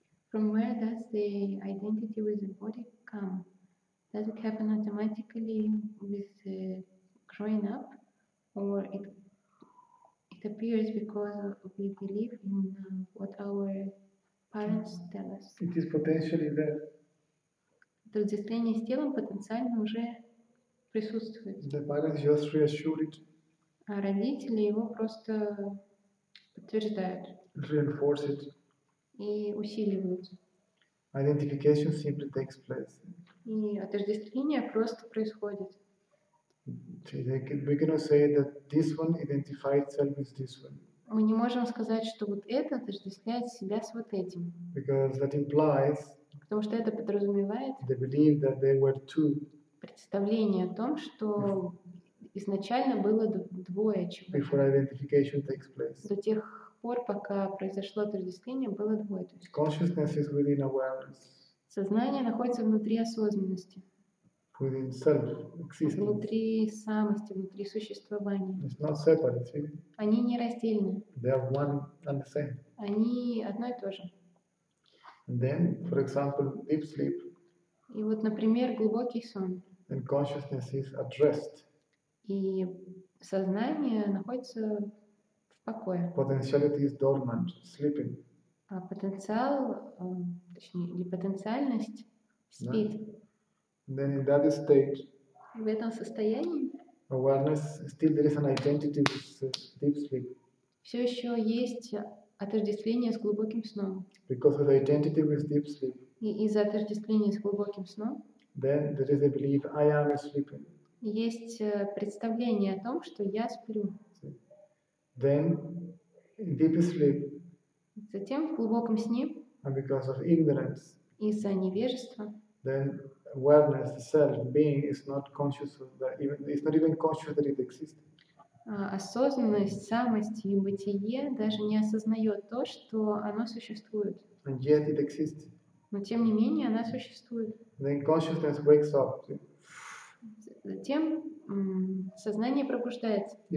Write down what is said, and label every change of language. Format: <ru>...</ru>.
<en>From where does the identity with the body come? Does it happen automatically with growing up, or it appears because we believe in what our parents tell us? It is potentially there.</en> <ru>То отождествление с телом потенциально уже присутствует.</ru> <en>The parents just reassure it.</en> <ru>А родители его просто подтверждают.</ru> <en>Reinforce it.</en> <ru>И усиливают.</ru> <en>Identification simply takes place.</en> <ru>И отождествление просто происходит.</ru> <en>We cannot say that this one identifies itself with this one.</en> <ru>Мы не можем сказать, что вот это отождествляет себя с вот этим.</ru> <en>Because that implies.</en> <ru>Потому что это подразумевает.</ru> <en>They believe that they were two.</en> <ru>Представление о том, что изначально было двое человек.</ru> <en>Before identification takes place.</en> <ru>До тех пор, пока произошло отождествление, было двое.</ru> <en>Consciousness is within awareness.</en> <ru>Сознание находится внутри осознанности.</ru> <en>Within self existence.</en> <ru>Внутри самости, внутри существования.</ru> <en>It's not separate, see?</en> <ru>Они не раздельны.</ru> <en>They are one and the same.</en> <ru>Они одно и то же.</ru> <en>And then, for example, deep sleep.</en> <ru>И вот, например, глубокий сон.</ru> <en>And consciousness is at rest.</en> <ru>И сознание находится в покое.</ru> <en>Potentiality is dormant, sleeping.</en> <ru>А потенциал, точнее, или потенциальность спит.</ru> <en>And then in that state.</en> <ru>В этом состоянии.</ru> <en>Awareness still there is an identity with deep sleep.</en> <ru>Все еще есть отождествление с глубоким сном.</ru> <en>Because of the identity with deep sleep.</en> <ru>И из-за отождествления с глубоким сном.</ru> <en>Then there is a belief I am sleeping.</en> <ru>Есть представление о том, что я сплю.</ru> <en>Then in deep sleep.</en> <ru>Затем в глубоком сне.</ru> <en>And because of ignorance.</en> <ru>Из-за невежества.</ru> <en>Then awareness, the self, being is not conscious of that. Even it's not even conscious that it exists.</en> <ru>Осознанность, самость и бытие даже не осознает то, что оно существует.</ru> <en>And yet it exists.</en> <ru>Но тем не менее она существует.</ru> <en>Then consciousness wakes up.</en> <ru>Затем сознание пробуждается.</ru>